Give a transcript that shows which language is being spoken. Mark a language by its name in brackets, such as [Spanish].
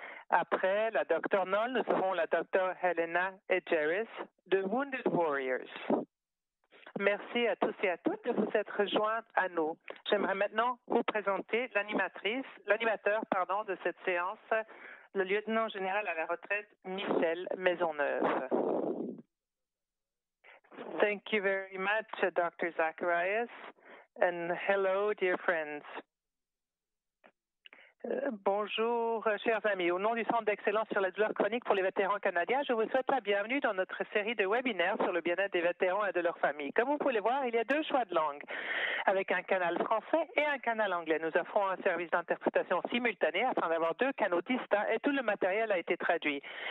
[French] Après la Dr Knoll, nous aurons la Dr Helena Edgeris de Wounded Warriors. Merci à tous et à toutes de vous être joints à nous. J'aimerais maintenant vous présenter l'animateur de cette séance, le lieutenant général à la retraite, Michel Maisonneuve. [English] Thank you very much, Dr. Zacharias, and hello, dear friends. [French] Bonjour, chers amis. Au nom du Centre d'excellence sur la douleur chronique pour les vétérans canadiens, je vous souhaite la bienvenue dans notre série de webinaires sur le bien-être des vétérans et de leurs familles. Comme vous pouvez le voir, il y a deux choix de langue, avec un canal français et un canal anglais. Nous offrons un service d'interprétation simultané afin d'avoir deux canaux distincts et tout le matériel a été traduit.